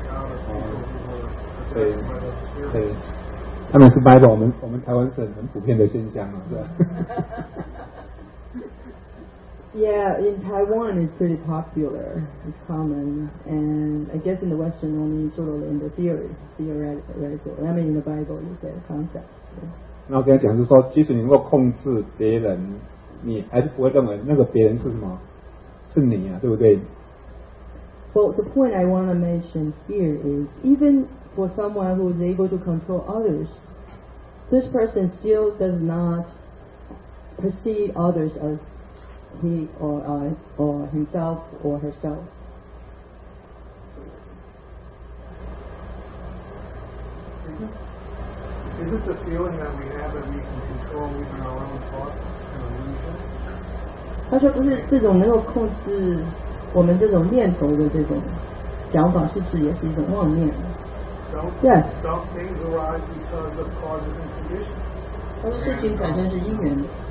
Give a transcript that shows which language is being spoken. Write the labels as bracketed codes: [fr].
[en] Some of Jesus' miracles were driving evil spirits out of people who were possessed by those spirits. Yeah, in Taiwan it's pretty popular. It's common. And I guess in the Western only sort of in the theoretical. I mean in the Bible you say concept. [zh] 那我跟他讲是说，即使你能够控制别人。你还是不会认为那个别人是什么，是你啊，对不对？ [en] Well, the point I want to mention here is, even for someone who is able to control others, this person still does not perceive others as he or I or himself or herself. Is this a feeling that we have that we can control even our own thoughts and illusions? [zh] 他说不是这种能够控制我们这种念头的这种想法，是指也是一种妄念。 [en] Yes. Don't things arise because of causes and conditions? [zh] 他说事情本身是因缘的。